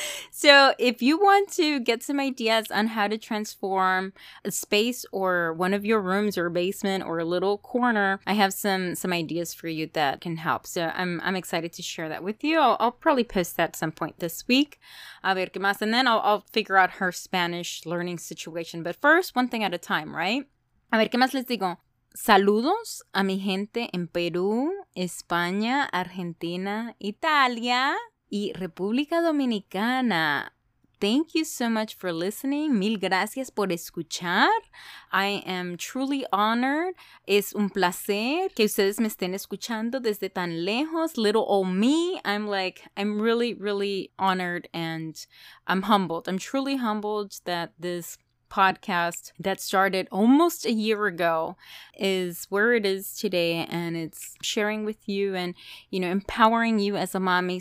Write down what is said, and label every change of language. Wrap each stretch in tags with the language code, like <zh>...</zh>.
<en>So if you want to get some ideas on how to transform a space or one of your rooms or basement or a little corner, I have some ideas for you that can help. So I'm excited to share that with you. I'll probably post that some point this week.</en> <es>A ver qué más.</es> <en>And then I'll figure out her Spanish learning situation. But first, one thing at a time, right?</en> <es>A ver qué más les digo. Saludos a mi gente en Perú, España, Argentina, Italia, y República Dominicana.</es> <en>Thank you so much for listening.</en> <es>Mil gracias por escuchar.</es> <en>I am truly honored.</en> <es>Es un placer que ustedes me estén escuchando desde tan lejos.</es> <en>Little old me. I'm like, I'm really, really honored and I'm humbled. I'm truly humbled that this podcast that started almost a year ago is where it is today, and it's sharing with you and, you know, empowering you as a mommy.</en>